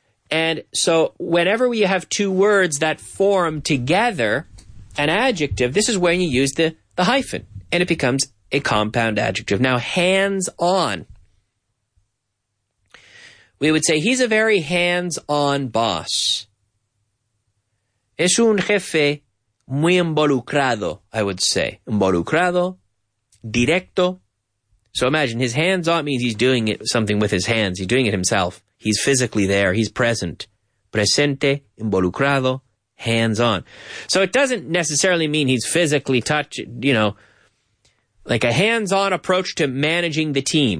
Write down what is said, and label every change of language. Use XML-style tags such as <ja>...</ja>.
<en>And so whenever we have two words that form together an adjective, this is when you use the hyphen, and it becomes a compound adjective. Now, hands-on. We would say, he's a very hands-on boss.</en> <es>Es un jefe muy involucrado,</es> <en>I would say.</en> <es>Involucrado, directo.</es> <en>So imagine his hands on means he's doing it, something with his hands. He's doing it himself. He's physically there. He's present.</en> <es>Presente, involucrado,</es> <en>hands on. So it doesn't necessarily mean he's physically touched, you know, like a hands-on approach to managing the team.</en>